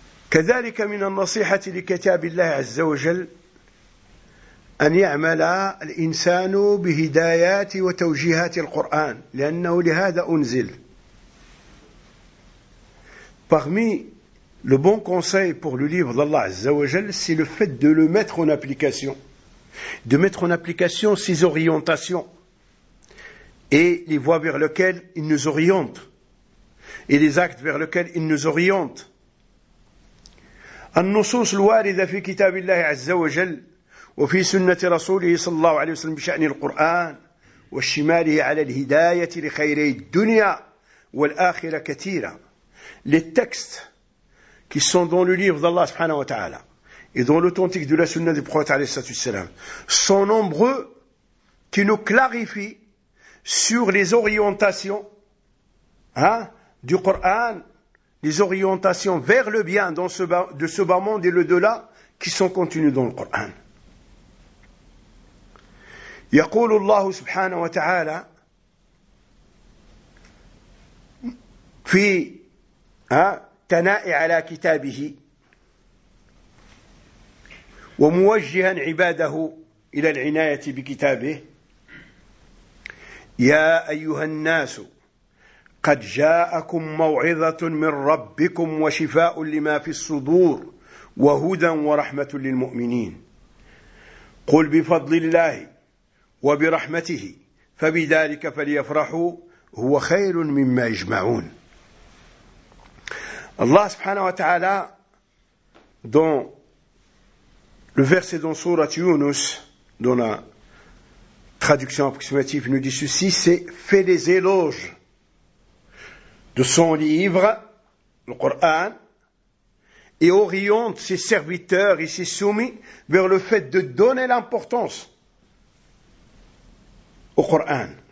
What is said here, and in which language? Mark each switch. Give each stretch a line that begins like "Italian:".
Arabic: كذلك من النصيحة لكتاب الله عز وجل أن يعمل الإنسان بهدايات وتوجيهات القرآن لأنه لهذا أنزل.
French: Parmi le bon conseil pour le livre d'Allah
Arabic: عز وجل,
French: c'est le fait de le mettre en application, de mettre en application ses orientations et les voies vers lesquelles il nous oriente et les actes vers lesquels il nous oriente.
Arabic: النصوص الواردة في كتاب الله عز وجل وفي سنة رسوله صلى الله عليه وسلم بشأن القرآن وشماله على الهداية لخير الدنيا والآخرة كثيرة.
French: Les textes qui sont dans le livre d'Allah subhanahu wa ta'ala et dans l'authentique de la sunna du prophète alayhi salatu wasalam sont nombreux qui nous clarifient sur les orientations du Coran, les orientations vers le bien dans ce bas monde et l'au-delà qui sont contenues dans le Coran.
Arabic: يقول الله سبحانه وتعالى في ثناء على كتابه وموجها عباده الى العنايه بكتابه: يا ايها الناس قد جاءكم موعظة من ربكم وشفاء لما في الصدور وهدى ورحمة للمؤمنين. قل بفضل الله وبرحمته فبذلك فليفرحوا هو خير مما يجمعون. الله سبحانه وتعالى
French: dans le verset dans sourate Yunus dans la traduction approximative nous dit ceci: c'est fait les éloges de son livre, le Coran, et oriente ses serviteurs et ses soumis vers le fait de donner l'importance au Coran.